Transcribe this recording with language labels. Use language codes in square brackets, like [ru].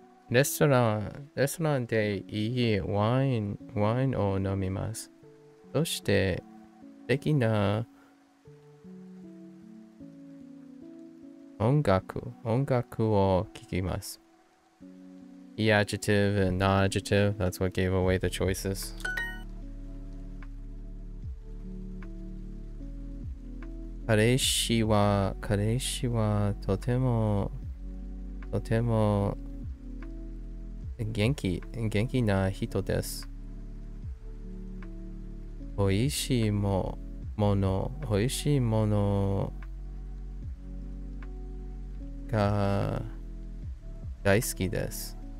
[ja] レストランでいいワインを飲みます。そして素敵な音楽を聴きます。 [en] いい adjective and not adjective, that's what gave away the choices. [ja] 彼氏はとても元気な人です。美味しいものが大好きです。